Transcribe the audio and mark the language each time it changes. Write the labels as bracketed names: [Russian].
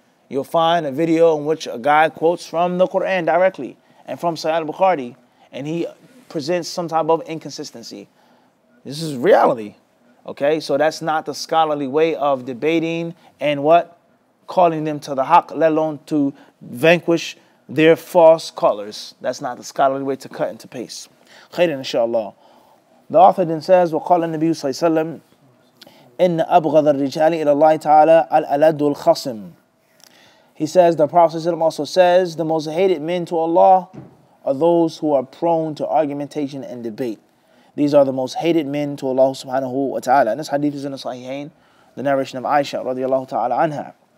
[English] You'll find a video in which a guy quotes from the Quran directly and from Sahih al-Bukhari, and he presents some type of inconsistency. This is reality. Okay, so that's not the scholarly way of debating and what? Calling them to the haq, let alone to vanquish their false colors. That's not the scholarly way to cut and to paste. Khayran, inshallah. The author then says, [Arabic] وَقَالَ النَّبِيُّ صَلَّى اللَّهُ عَلَيْهِ وَسَلَّمَ إِنَّ أَبْغَضَ الرِّجَالِ إِلَى اللَّهِ تَعَالَى الْأَلَدُّ الْخَصِمُ. [English] He says, the Prophet also says, the most hated men to Allah are those who are prone to argumentation and debate. These are the most hated men to Allah subhanahu wa ta'ala. And this hadith is in the Sahihain, the narration of Aisha radiallahu ta'ala anha.